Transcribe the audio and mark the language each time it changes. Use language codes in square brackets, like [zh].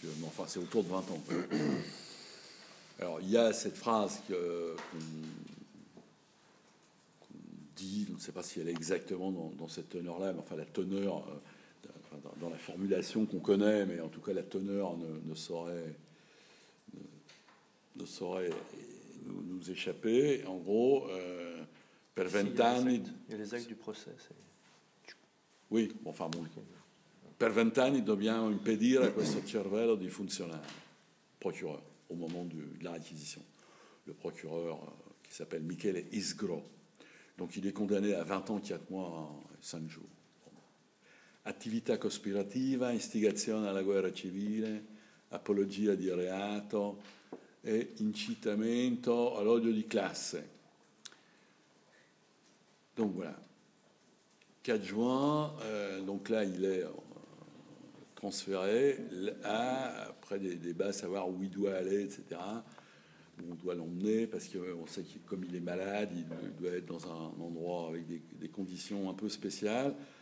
[fr] Mais enfin, c'est autour de 20 ans. Quoi. Alors, il y a cette phrase qu'on dit, on ne sait pas si elle est exactement dans cette teneur-là, mais enfin, la teneur, dans la formulation qu'on connaît, mais en tout cas, la teneur ne saurait nous échapper, en gros, [it] per vent'anni. [fr] Et les actes du procès, c'est... Oui, bon, enfin bon. [it] Per vent'anni dobbiamo impedire questo cervello di funzionare. [fr] Procureur, au moment de la réquisition. Le procureur qui s'appelle Michele Isgro. Donc il est condamné à 20 ans, 4 mois et 5 jours. [it] Attività cospirativa, instigazione alla guerra civile, apologia di reato. E incitamento all'odio di classe. [fr] Donc voilà. 4 juin, donc là il est transféré après des débats, savoir où il doit aller, etc. Où on doit l'emmener, parce qu'on sait que comme il est malade, il doit être dans un endroit avec des conditions un peu spéciales.